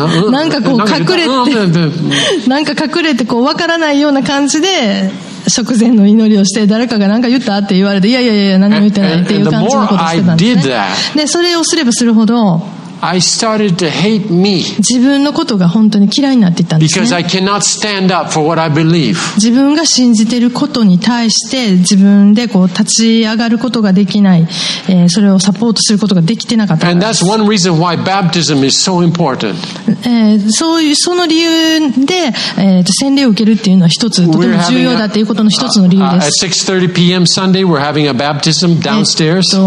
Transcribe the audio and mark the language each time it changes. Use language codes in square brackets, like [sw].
[ja] なんかこう隠れてなんか隠れてこう分からないような感じで食前の祈りをして誰かが何か言ったって言われていやいやいや何も言ってないっていう感じのことをしてたんですね。でそれをすればするほど [en] I started to hate me. [ja] 自分のことが本当に嫌いになっていったんですね。 [en] Because I cannot stand up for what I believe. [ja] 自分が信じていることに対して自分でこう立ち上がることができない、それをサポートすることができてなかったんです。 [en] And that's one reason why baptism is so important. [ja] そういうその理由で、洗礼を受けるっていうのは一つとても重要だっていうことの一つの理由です。 [en] At 6:30 p.m. Sunday, we're having a baptism downstairs.